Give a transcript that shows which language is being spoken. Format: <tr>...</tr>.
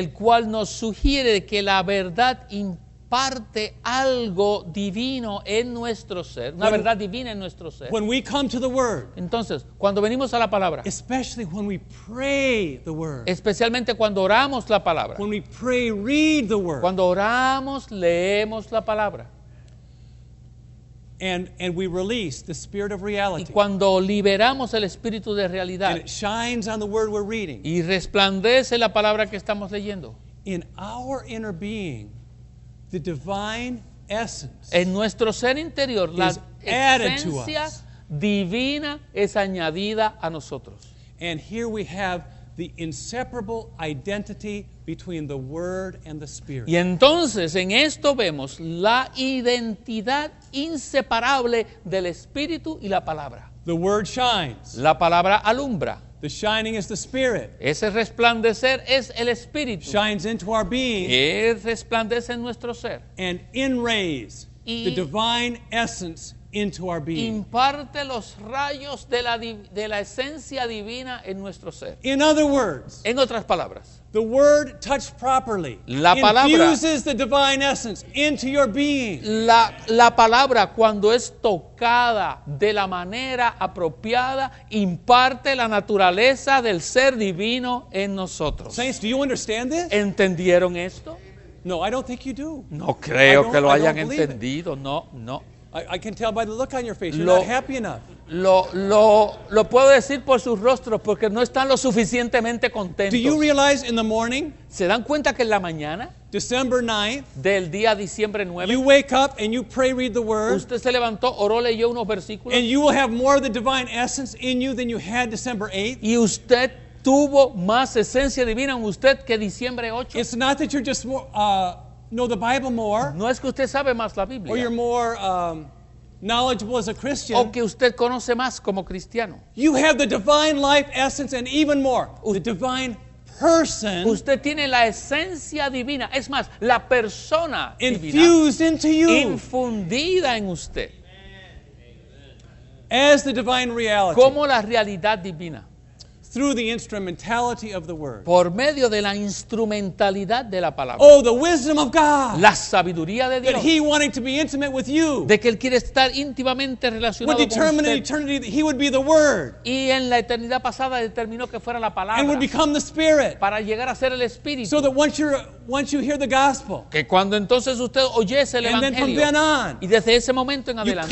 <es>El cual nos sugiere que la verdad imparte algo divino en nuestro ser, una verdad divina en nuestro ser.</es> <en>When we come to the word.</en> <es>Entonces, cuando venimos a la palabra.</es> <en>Especially when we pray the word.</en> <es>Especialmente cuando oramos la palabra.</es> <en>When we pray, read the word.</en> <es>Cuando oramos, leemos la palabra.</es> <en>And we release the spirit of reality.</en> <es>Y cuando liberamos el espíritu de realidad.</es> <en>And it shines on the word we're reading.</en> <es>Y resplandece la palabra que estamos leyendo.</es> <en>In our inner being, the divine essence.</en> <es>En nuestro ser interior, la esencia divina es añadida a nosotros.</es> <en>And here we have the inseparable identity between the word and the spirit.</en> <es>Y entonces en esto vemos la identidad inseparable del espíritu y la palabra.</es> <en>The word shines.</en> <es>La palabra alumbra.</es> <en>The shining is the spirit.</en> <es>Ese resplandecer es el espíritu.</es> <en>Shines into our being.</en> <es>Él resplandece en nuestro ser.</es> <en>And inrays the divine essence into our being.</en> <es>Imparte los rayos de la esencia divina en nuestro ser.</es> <en>In other words.</en> <es>En otras palabras.</es> <en>The word touched properly</en> <es>la palabra,</es> <en>infuses the divine essence into your being.</en> <es>La palabra cuando es tocada de la manera apropiada imparte la naturaleza del ser divino en nosotros.</es> <en>Saints, do you understand this?</en> <es>¿Entendieron esto?</es> <en>No, I don't think you do.</en> <es>No creo que lo hayan entendido.</es> <en>No, no. I can tell by the look on your face. You're not happy enough.</en> <es>Lo puedo decir por sus rostros porque no están lo suficientemente contentos.</es> <en>Do you realize in the morning?</en> <es>¿Se dan cuenta que en la mañana?</es> <en>December 9th.</en> <es>Del día diciembre 9.</es> <en>You wake up and you pray, read the word.</en> <es>Usted se levantó, oró, leyó unos versículos.</es> <en>And you will have more of the divine essence in you than you had December 8th.</en> <es>Y usted tuvo más esencia divina en usted que diciembre 8.</es> <en>It's not that you're just more know the Bible more.</en> <es>No es que usted sabe más la Biblia.</es> <en>Or you're more knowledgeable as a Christian.</en> <es>O que usted conoce más como cristiano.</es> <en>You have the divine life essence and even more. The divine person.</en> <es>Usted tiene la esencia divina. Es más, la persona</es> <en>infused</en> <es>divina.</es> <en>Into you.</en> <es>Infundida en usted.</es> <en>As the divine reality.</en> <es>Como la realidad divina.</es> <en>Through the instrumentality of the word.</en> <es>Por medio de la instrumentalidad de la palabra.</es> <en>Oh, the wisdom of God.</en> <es>La sabiduría de Dios.</es> <en>That he wanted to be intimate with you.</en> <es>De que él quiere estar íntimamente relacionado con usted.</es> <en>Would determine in eternity that he would be the word.</en> <es>Y en la eternidad pasada determinó que fuera la palabra.</es> <en>And would become the spirit.</en> <es>Para llegar a ser el espíritu.</es> <en>So that once you hear the gospel.</en> <es>Que cuando entonces usted oyese el evangelio.</es> <en>And then from then on.</en> <es>Y desde ese momento en adelante.</es>